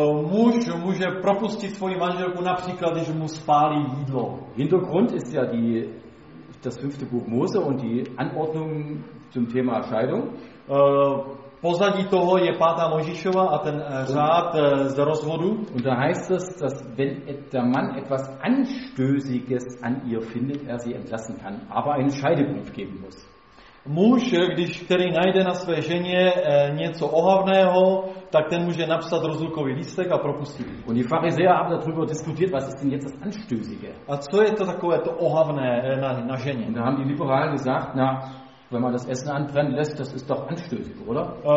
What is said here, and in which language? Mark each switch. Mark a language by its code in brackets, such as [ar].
[cs] Muž může propustit svoji manželku například, když mu spálí jídlo. [de] Hintergrund ist ja die, das fünfte Buch Mose und die Anordnung zum Thema Scheidung. [cs] Pozadí toho je pátá Mojžíšova a ten řád z rozvodu. [de] Und da heißt es, dass wenn der Mann etwas Anstößiges an ihr findet, er sie entlassen kann, aber einen Scheidebrief geben muss. [cs] Muž, když který najde na své ženě něco ohavného, tak ten může napsat rozlukový lístek a propustit. [de] Und die Pharisäer haben darüber diskutiert, was ist denn jetzt das Anstößige? [cs] A co je to takové to ohavné na ženě? [de] Und da haben die Liberalen gesagt, na, wenn man das Essen anbrennen lässt, das ist doch anstößig, oder?